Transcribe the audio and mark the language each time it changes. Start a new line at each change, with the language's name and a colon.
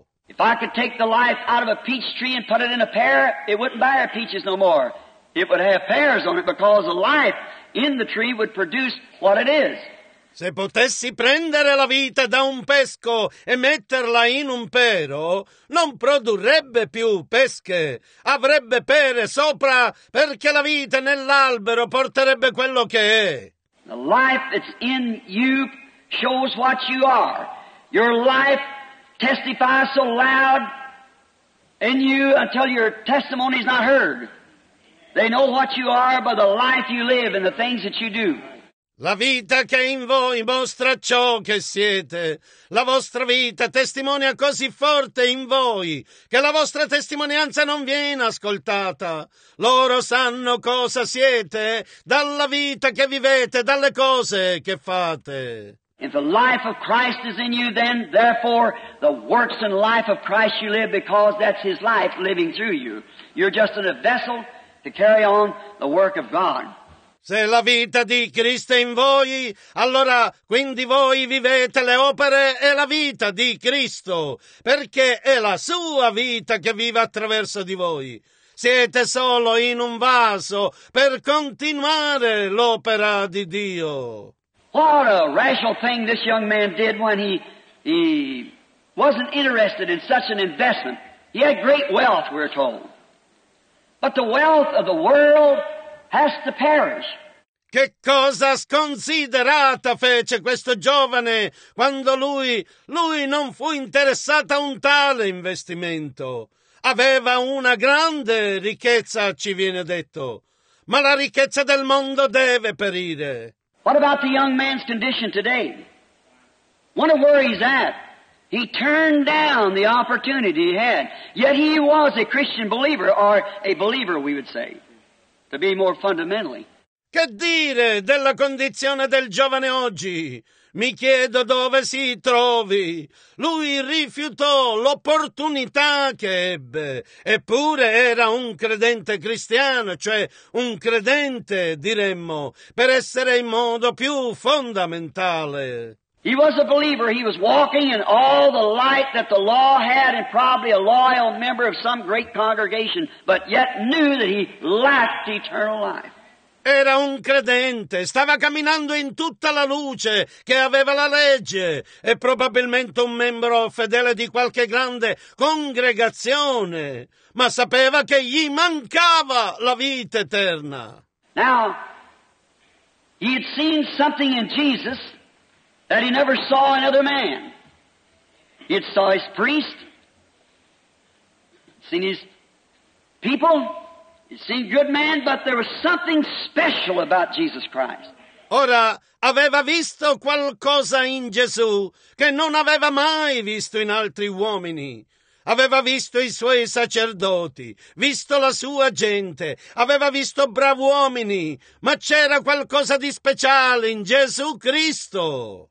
English: If I could take the life out of a peach tree and put it in a pear, it wouldn't bear peaches no more. It would have pears on it because the life in the tree would produce what it is.
Italian: Se potessi prendere la vita da un pesco e metterla in un pero, non produrrebbe più pesche, avrebbe pere sopra, perché la vita nell'albero porterebbe quello che è.
English: The life that's in you shows what you are. Your life testifies so loud in you until your testimony is not heard. They know what you are by the life you live and the things that you do.
Italian: La vita che è in voi mostra ciò che siete. La vostra vita testimonia così forte in voi che la vostra testimonianza non viene ascoltata. Loro sanno cosa siete dalla vita che vivete, dalle cose che fate.
English: If the life of Christ is in you, then therefore the works and life of Christ you live, because that's his life living through you. You're just a vessel to carry on the work of God.
Italian: Se la vita di Cristo è in voi, allora quindi voi vivete le opere e la vita di Cristo, perché è la sua vita che vive attraverso di voi. Siete solo in un vaso per continuare l'opera di Dio.
English: What a rational thing this young man did when he wasn't interested in such an investment. He had great wealth, we're told. But the wealth of the world has to perish.
Italian: Che cosa sconsiderata fece questo giovane quando lui non fu interessato a un tale investimento. Aveva una grande ricchezza, ci viene detto, ma la ricchezza del mondo deve perire.
English: What about the young man's condition today? Wonder where he's at. He turned down the opportunity he had. Yet he was a Christian believer, or a believer, we would say, to be more fundamentally.
Italian: Che dire della condizione del giovane oggi? Mi chiedo dove si trovi. Lui rifiutò l'opportunità che ebbe, eppure era un credente cristiano, cioè un credente, diremmo, per essere in modo più fondamentale.
English: He was a believer, he was walking in all the light that the law had, and probably a loyal member of some great congregation, but yet knew that he lacked eternal life.
Italian: Era un credente, stava camminando in tutta la luce che aveva la legge e probabilmente un membro fedele di qualche grande congregazione, ma sapeva che gli mancava la vita eterna.
English: Now, he had seen something in Jesus that he never saw in other man. He had saw his priest, seen his people. He seemed good man, but there was something special about Jesus Christ.
Italian: Ora aveva visto qualcosa in Gesù che non aveva mai visto in altri uomini. Aveva visto i suoi sacerdoti, visto la sua gente, aveva visto bravi uomini, ma c'era qualcosa di speciale in Gesù Cristo.